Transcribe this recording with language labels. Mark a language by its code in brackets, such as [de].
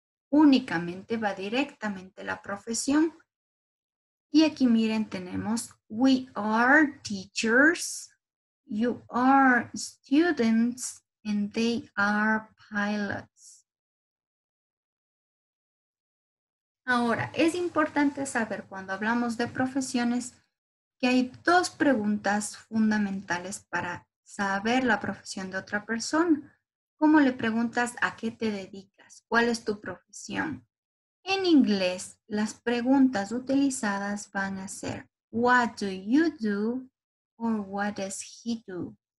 [es] Únicamente va directamente la profesión. Y aquí miren, tenemos, [en] we are teachers, you are students, and they are pilots. [es] Ahora, es importante saber cuando hablamos de profesiones que hay dos preguntas fundamentales para saber la profesión de otra persona. ¿Cómo le preguntas a qué te dedicas? ¿Cuál es tu profesión? En inglés, las preguntas utilizadas van a ser [en] what do you do or what does he do?